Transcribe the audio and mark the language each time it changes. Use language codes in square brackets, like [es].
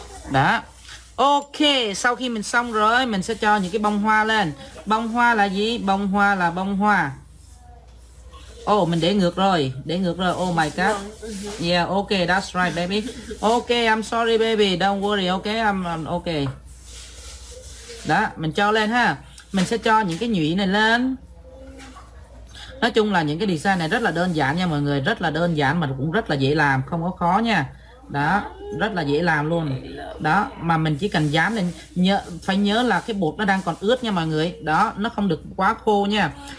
[vi] Đó. Ok, sau khi mình xong rồi, mình sẽ cho những cái bông hoa lên. Bông hoa là gì? Bông hoa là bông hoa. Ồ, oh, mình để ngược rồi, [en] oh my god. Yeah, ok, that's right baby. Ok, I'm sorry baby, don't worry, ok, I'm ok. [vi] Đó, mình cho lên ha. Mình sẽ cho những cái nhụy này lên. Nói chung là những cái design này rất là đơn giản nha mọi người. Rất là đơn giản mà cũng rất là dễ làm, không có khó nha. Đó, rất là dễ làm luôn. Đó, mà mình chỉ cần dán lên. Phải nhớ là cái bột nó đang còn ướt nha mọi người. Đó, nó không được quá khô nha.